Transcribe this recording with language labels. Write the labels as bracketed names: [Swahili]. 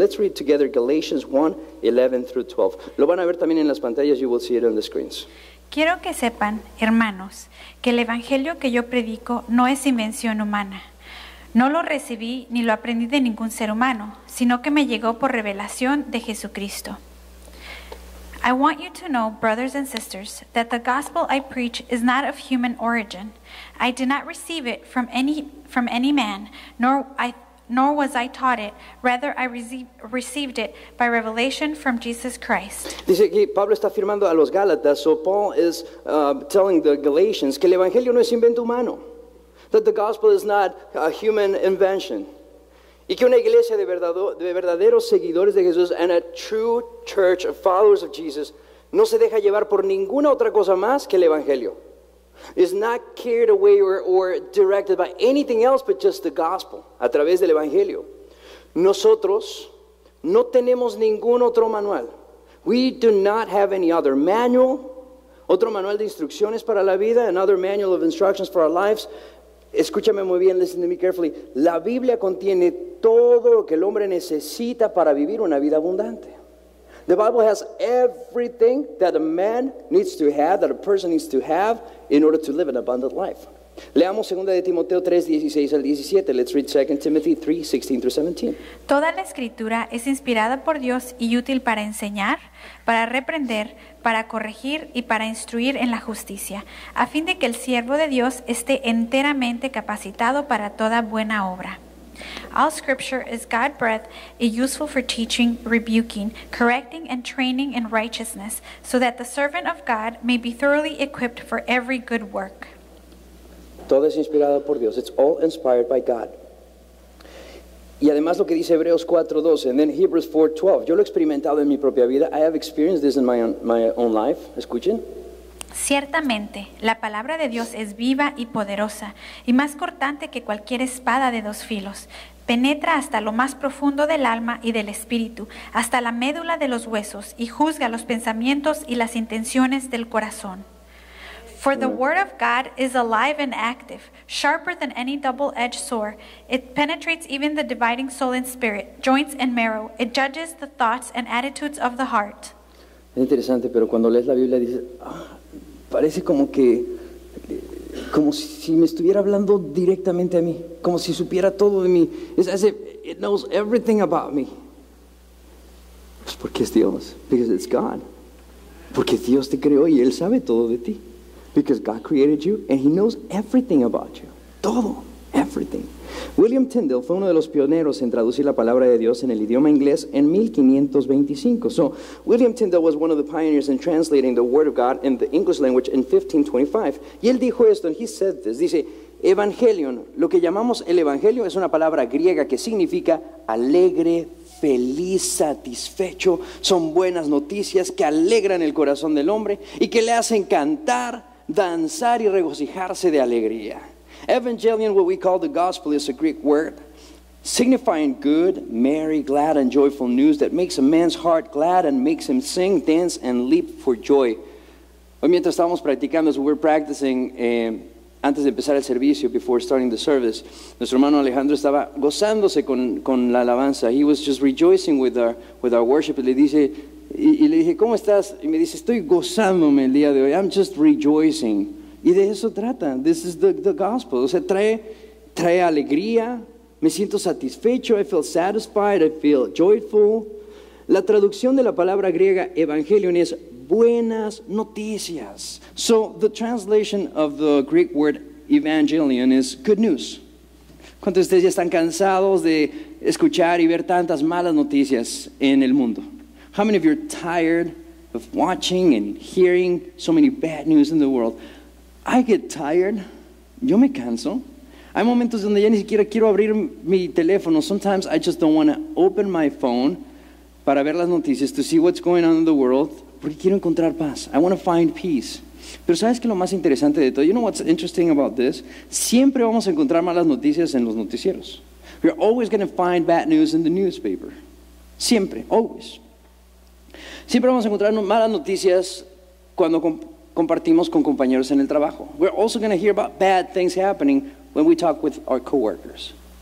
[English] Let's read together Galatians 1, 11 through 12. [Spanish] Lo van a ver también en las pantallas. [English] You will see it on the screens. [Spanish] Quiero que sepan, hermanos, que el evangelio que yo predico no es invención humana. No lo recibí ni lo aprendí de ningún ser humano, sino que me llegó por revelación de Jesucristo. [English] I want you to know, brothers and sisters, that the gospel I preach is not of human origin. I did not receive it from any man, nor was I taught it. Rather, I received it by revelation from Jesus Christ. [Spanish] Dice que Pablo está afirmando a los Gálatas, [English] so Paul is telling the Galatians [Spanish] que el evangelio no es invento humano, [English] that the gospel is not a human invention. [Spanish] Y que una iglesia de verdaderos seguidores de Jesús, [English] and a true church of followers of Jesus, [Spanish] no se deja llevar por ninguna otra cosa más que el evangelio. [English] Is not carried away or directed by anything else but just the gospel, [Spanish] a través del evangelio. Nosotros no tenemos ningún otro manual. [English] We do not have any other manual, [Spanish] otro manual de instrucciones para la vida, [English] another manual of instructions for our lives. [Spanish] Escúchame muy bien, [English] listen to me carefully. [Spanish] La Biblia contiene todo lo que el hombre necesita para vivir una vida abundante. [English] The Bible has everything that a man needs to have, that a person needs to have in order to live an abundant life. [Spanish] Leamos 2 de Timoteo 3, 16 al 17. [English] Let's read 2 Timothy 3, 16 through 17. [Spanish] Toda la escritura es inspirada por Dios y útil para enseñar, para reprender, para corregir y para instruir en la justicia, a fin de que el siervo de Dios esté enteramente capacitado para toda buena obra. [English] All scripture is God-breathed and useful for teaching, rebuking, correcting, and training in righteousness, so that the servant of God may be thoroughly equipped for every good work. [Spanish] Todo es inspirado por Dios. [English] It's all inspired by God. [Spanish] Y además lo que dice Hebreos 4:12, [English] and then Hebrews 4:12. [Spanish] Yo lo he experimentado en mi propia vida. [English] I have experienced this in my own life. [Spanish] Escuchen. Ciertamente, la palabra de Dios es viva y poderosa, y más cortante que cualquier espada de dos filos. Penetra hasta lo más profundo del alma y del espíritu, hasta la médula de los huesos, y juzga los pensamientos y las intenciones del corazón. [English] For the word of God is alive and active, sharper than any double-edged sword. It penetrates even the dividing soul and spirit, joints and marrow. It judges the thoughts and attitudes of the heart. [Spanish] Es interesante, pero cuando lees la Biblia dices, parece como si me estuviera hablando directamente a mí, como si supiera todo de mí. [English] It's as if it knows everything about me. [Spanish] Pues porque es Dios, [English] because it's God. [Spanish] Porque Dios te creó y Él sabe todo de ti. [English] Because God created you and He knows everything about you. [Spanish] Todo, everything. William Tyndale fue uno de los pioneros en traducir la palabra de Dios en el idioma inglés en 1525. [English] So, William Tyndale was one of the pioneers in translating the Word of God in the English language in 1525. [Spanish] Y él dijo esto, [English] and he said this, [Spanish] dice, Evangelion, lo que llamamos el Evangelio es una palabra griega que significa alegre, feliz, satisfecho. Son buenas noticias que alegran el corazón del hombre y que le hacen cantar, danzar y regocijarse de alegría. [English] Evangelion, what we call the gospel, is a Greek word signifying good, merry, glad, and joyful news that makes a man's heart glad and makes him sing, dance, and leap for joy. [Spanish] Hoy mientras estábamos practicando, [English] so we're practicing, [Spanish] antes de empezar el servicio, [English] before starting the service, [Spanish] nuestro hermano Alejandro estaba gozándose con la alabanza. [English] He was just rejoicing with our worship. [Spanish] Y le dije, ¿cómo estás? Y me dice, estoy gozándome el día de hoy. [English] I'm just rejoicing. [Spanish] Y de eso trata. [English] This is the gospel. [Spanish] O sea, trae alegría. Me siento satisfecho. [English] I feel satisfied. I feel joyful. [Spanish] La traducción de la palabra griega evangelion es buenas noticias. [English] So the translation of the Greek word evangelion is good news. [Spanish] ¿Cuántos de ustedes ya están cansados de escuchar y ver tantas malas noticias en el mundo? [English] How many of you are tired of watching and hearing so many bad news in the world? I get tired. [Spanish] Yo me canso. Hay momentos donde ya ni siquiera quiero abrir mi teléfono. [English] Sometimes I just don't want to open my phone [Spanish] para ver las noticias, [English] to see what's going on in the world, [Spanish] porque quiero encontrar paz. [English] I want to find peace. [Spanish] Pero ¿sabes qué es lo más interesante de todo? [English] You know what's interesting about this? [Spanish] Siempre vamos a encontrar malas noticias en los noticieros. [English] You're always going to find bad news in the newspaper. [Spanish] Siempre, always. Siempre vamos a encontrar malas noticias cuando compartimos con compañeros en el trabajo. [English] We're also going to hear about bad things happening when we talk with our coworkers.